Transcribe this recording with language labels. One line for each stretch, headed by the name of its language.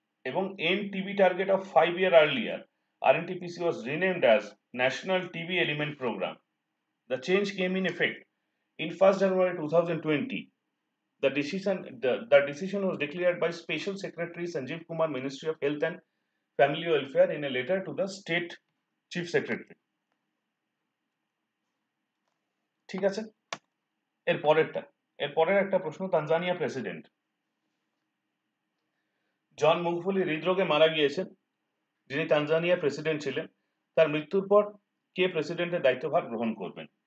English: এবং end TB target of 5 year earlier R N TPC was renamed as national TB element programme. The change came in effect in 1st January 2020. The decision was declared by Special Secretary Sanjeev Kumar, Ministry of Health and Family Welfare, in a letter to the State Chief Secretary.
Bangla: ঠিক আছে, এর পরের একটা প্রশ্ন, Tanzania president জন মুগফুলি হৃদরোগে মারা গিয়েছেন, যিনি তানজানিয়া প্রেসিডেন্ট ছিলেন, তার মৃত্যুর পর কে প্রেসিডেন্টের দায়িত্বভার গ্রহণ করবেন?